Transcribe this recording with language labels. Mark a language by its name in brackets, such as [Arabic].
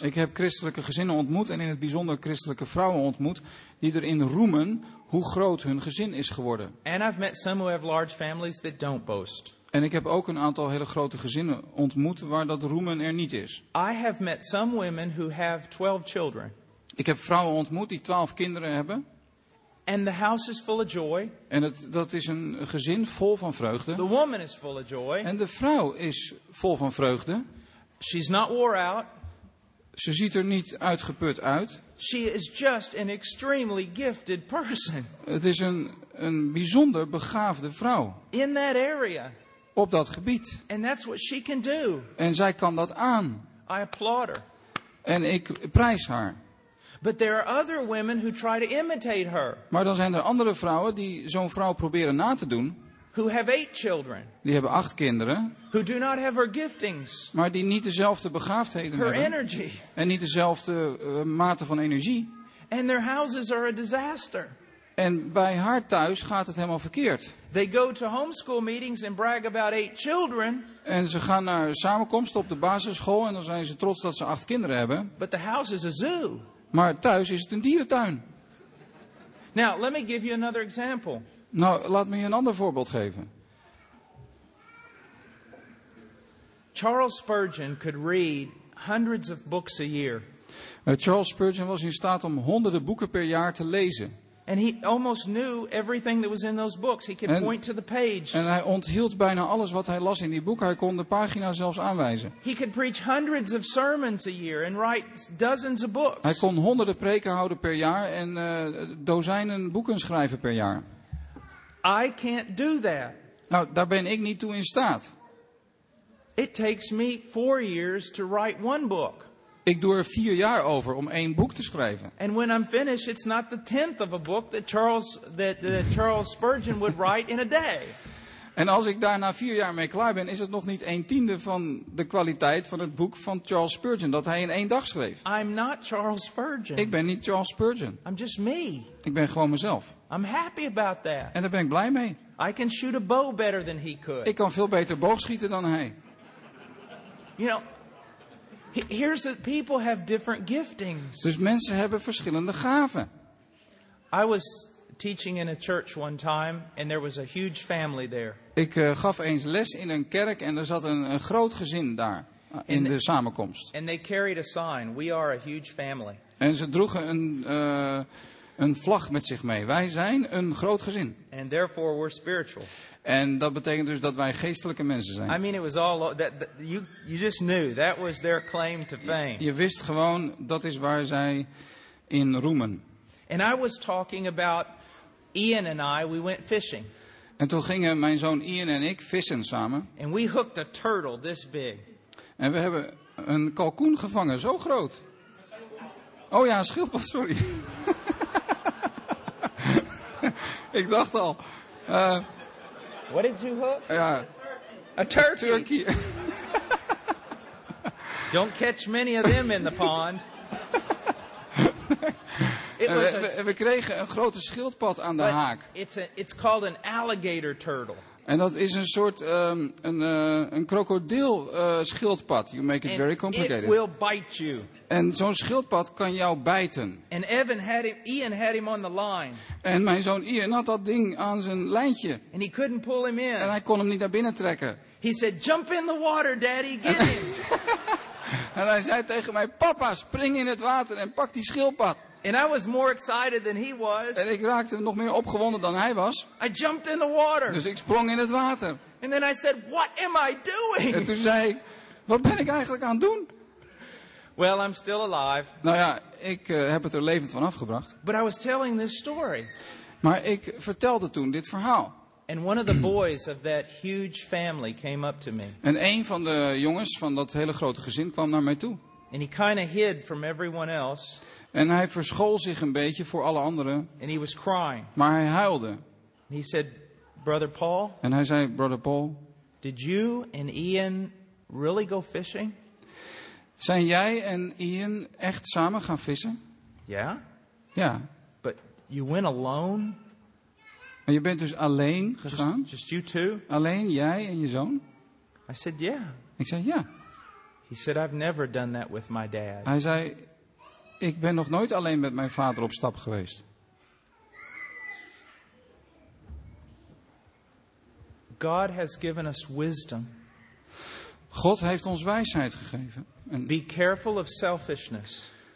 [Dutch] Ik heb christelijke gezinnen ontmoet en in het bijzonder christelijke vrouwen ontmoet die erin roemen hoe groot hun gezin is geworden. [English] And I've met some who have large families that don't boast. [Dutch] En ik heb ook een aantal hele grote gezinnen ontmoet waar dat roemen er niet is. [English] I have met some women who have 12 children. [Dutch] Ik heb vrouwen ontmoet die 12 kinderen hebben. [English] And the house is full of joy. [Dutch] En dat is een gezin vol van vreugde. [English] The woman is full of joy. [Dutch] En de vrouw is vol van vreugde. [English] She's not wore out. [Dutch] Ze ziet er niet uitgeput uit. [English] She is just an extremely gifted person. [Dutch] Het is een bijzonder begaafde vrouw. [English] In that area. [Dutch] Op dat gebied. [English] And that's what she can do. [Dutch] En zij kan dat aan. [English] I applaud her. [Dutch] En ik prijs haar. [English] But there are other women who try to imitate her. [Dutch] Maar dan zijn er andere vrouwen die zo'n vrouw proberen na te doen. [English] Who have 8 children. [Dutch] Die hebben 8 kinderen. [English] Who do not have her giftings. [Dutch] Maar die niet dezelfde begaafdheden [English] her [Dutch] hebben. [English] Her energy. [Dutch] En niet dezelfde mate van energie. [English] And their houses are a disaster. [Dutch] En bij haar thuis gaat het helemaal verkeerd. [English] They go to homeschool meetings and brag about 8 children. [Dutch] En ze gaan naar samenkomsten op de basisschool en dan zijn ze trots dat ze 8 kinderen hebben. [English] But the house is a zoo. [Dutch] Maar thuis is het een dierentuin. [English] Now, let me give you another example. [Dutch] Nou, laat me je een ander voorbeeld geven. [English] Charles Spurgeon could read hundreds of books a year. [Dutch] Charles Spurgeon was in staat om honderden boeken per jaar te lezen. [English] And he almost knew everything that was in those books. He could point to the page. [Dutch] En hij onthield bijna alles wat hij las in die boek. Hij kon de pagina zelfs aanwijzen. [English] He could preach hundreds of sermons a year and write dozens of books. [Dutch] Hij kon honderden preken houden per jaar en dozijnen boeken schrijven per jaar. [English] I can't do that. [Dutch] Nou, daar ben ik niet toe in staat. [English] It takes me 4 years to write one book. [Dutch] Ik doe er 4 jaar over om 1 boek te schrijven. [English] And when I'm finished, it's not the tenth of a book that Charles Spurgeon would write in a day. [Dutch] En als ik daar na 4 jaar mee klaar ben, is het nog niet 1/10 van de kwaliteit van het boek van Charles Spurgeon dat hij in 1 dag schreef. [English] I'm not Charles Spurgeon. [Dutch] Ik ben niet Charles Spurgeon. [English] I'm just me. [Dutch] Ik ben gewoon mezelf. [English] I'm happy about that. [Dutch] En daar ben ik blij mee. [English] I can shoot a bow better than he could. [Dutch] Ik kan veel beter boogschieten dan hij. [English] You know. Here's that people have different giftings. [Dutch] Dus mensen hebben verschillende gaven. [English] I was teaching in a church one time and there was a huge family there. [Dutch] Ik gaf eens les in een kerk en er zat een groot gezin daar in de samenkomst. [English] And they carried a sign, we are a huge family. [Dutch] En ze droegen een vlag met zich mee. Wij zijn een groot gezin. [English] And therefore we're spiritual. [Dutch] En dat betekent dus dat wij geestelijke mensen zijn. [English] I mean it was all you just knew that was their claim to fame. [Dutch] Je wist gewoon dat is waar zij in roemen. [English] And I was talking about Ian and I, we went fishing. [Dutch] En toen gingen mijn zoon Ian en ik vissen samen. [English] And we hooked a turtle this big. [Dutch] En we hebben een kalkoen gevangen zo groot. Oh ja, een schildpad, sorry. Ik dacht al. [English] What did you hook? [Dutch] Ja. [English] A turkey. A turkey. Don't catch many of them in the pond. [Dutch] We kregen een grote schildpad aan de haak. [English] It's called an alligator turtle. [Dutch] En dat is een soort een krokodil schildpad. [English] You make it and very complicated. It will bite you. [Dutch] En zo'n schildpad kan jou bijten. [English] And Evan had him, Ian had him on the line. [Dutch] En mijn zoon Ian had dat ding aan zijn lijntje. [English] And he couldn't pull him in. [Dutch] En hij kon hem niet naar binnen trekken. [English] He said, "Jump in the water, Daddy, get him." [Dutch] En hij zei tegen mij, papa, spring in het water en pak die schildpad. [English] And I was more excited than he was. [Dutch] En ik raakte nog meer opgewonden dan hij was. [English] I jumped in the water. [Dutch] Dus ik sprong in het water. [English] And then I said, "What am I doing?" [Dutch] En toen zei ik, wat ben ik eigenlijk aan het doen? [English] Well, I'm still alive. [Dutch] Nou ja, ik heb het er levend van afgebracht. [English] But I was telling this story. [Dutch] Maar ik vertelde toen dit verhaal. [English] And one of the boys of that huge family came up to me. [Dutch] En een van de jongens van dat hele grote gezin kwam naar mij toe. [English] And he kind of hid from everyone else. [Dutch] En hij verschool zich een beetje voor alle anderen. [English] And he was crying. [Dutch] Maar hij huilde. [English] And he said, "Brother Paul." [Dutch] En hij zei, [English] "Brother Paul." "Did you and Ian really go fishing?" [Dutch] Zijn jij en Ian echt samen gaan vissen? Ja. [English] Yeah. [Dutch] Ja. [English] But you went alone. [Dutch] En je bent dus alleen gegaan? [English] Just you two? [Dutch] Alleen jij en je zoon? [English] I said yeah. [Dutch] Ik zei ja. [English] He said I've never done that with my dad. [Dutch] Hij zei, ik ben nog nooit alleen met mijn vader op stap geweest. [English] God has given us wisdom. [Dutch] God heeft ons wijsheid gegeven. [English] En be careful of selfishness.